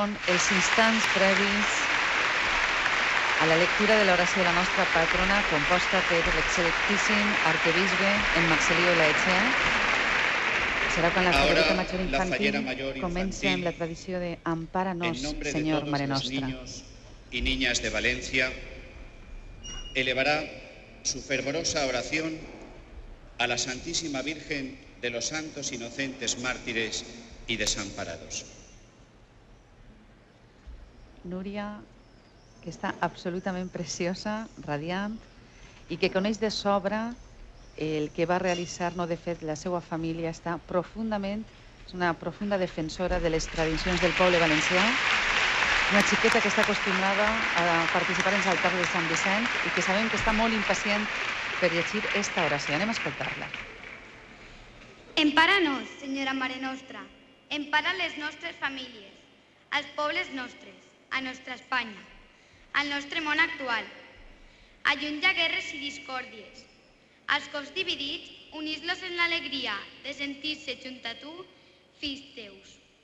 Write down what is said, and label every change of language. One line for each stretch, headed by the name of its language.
Catalan: Els instants previs a la lectura de l'oració de la nostra patrona composta per l'excel·lentíssim arquebisbe en Marcelio Laetxea. Serà quan la fallera major infantil comença amb la tradició de Ampara-nos, Senyor, Mare Nostra.
Spanish: En nombre de todos los niños y niñas de València, elevará su fervorosa oración a la Santísima Virgen de los Santos Inocentes Mártires y Desamparados. Núria, que está absolutamente preciosa, radiante, y que
Catalan: coneix de sobra el que
Spanish: va a realizar,
Catalan: no de fet, la seva
Spanish: familia, está profundamente, es una profunda defensora de las tradiciones del pueblo valencià. Una chiqueta que está acostumbrada a participar en Saltar de San Vicente y que sabemos que está muy impaciente por
Catalan: llegir
Spanish: esta oración.
Catalan: Anem a escoltarla. Empara-nos,
Spanish: Señora
Catalan: Mare Nostra. Empara les nostres famílies, als pobles nostres, a nostra Espanya, al nostre món actual. Allunya guerres i discòrdies. Als cos dividits, unís-los en l'alegria de sentir-se junt a tu, fills teus.